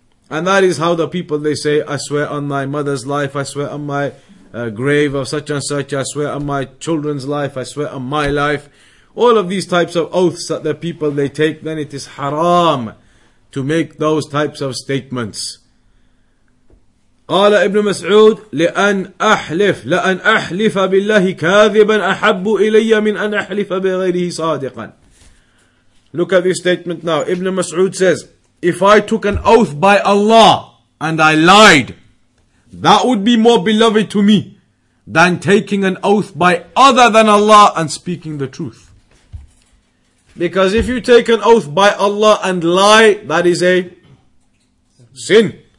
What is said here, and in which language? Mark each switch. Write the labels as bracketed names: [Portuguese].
[English] And that is how the people, they say, I swear on my mother's life, I swear on my grave of such and such, I swear on my children's life, I swear on my life. All of these types of oaths that the people they take, then it is haram to make those types of statements. [Arabic] قال ابن مسعود لأن أحلف بالله كاذبا أحب إلي من أن أحلف بغيره صادقا. [English] Look at this statement now. Ibn Mas'ud says, if I took an oath by Allah and I lied, that would be more beloved to me than taking an oath by other than Allah and speaking the truth. Because if you take an oath by Allah and lie, that is a sin.